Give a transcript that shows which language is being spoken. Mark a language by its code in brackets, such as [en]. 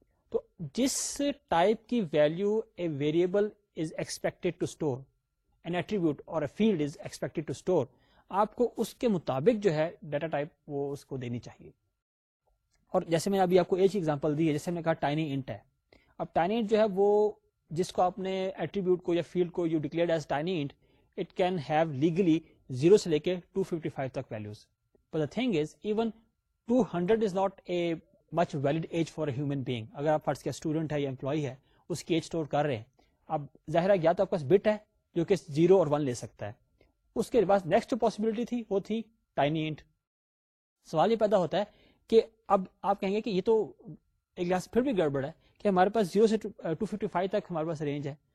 [ur] تو جس ٹائپ کی value [en] a variable is expected to store, an attribute اور a field is expected to store, [ur] آپ کو اس کے مطابق جو ہے ڈیٹا ٹائپ وہ اس کو دینی چاہیے. اور جیسے میں ابھی آپ کو ایک ایگزامپل دی ہے, جیسے میں نے کہا ٹائنی انٹ ہے. اب ٹائنی انٹ جو ہے وہ جس کو آپ نے ایٹریبیوٹ کو یا فیلڈ کو [en] you declared as tiny int, it can have legally [ur] 0 سے لے کے 255 تک values. [en] But the thing is even 200 is not a much valid age for a human being. [ur] اگر آپ فرض کیا اسٹوڈنٹ ہے یا امپلائی ہے اس کی ایج اسٹور کر رہے ہیں, اب ظاہر ہے یا تو آپ کے پاس بٹ ہے جو کہ 0 اور 1 لے سکتا ہے, اس کے بعد نیکسٹ جو پاسبلٹی تھی وہ تھی ٹائنی انٹ. سوال یہ پیدا ہوتا ہے کہ اب آپ کہیں گے کہ یہ تو ایک لحاظ پھر بھی گڑبڑ ہے کہ ہمارے پاس 0 سے 255 تک ہمارے پاس رینج ہے.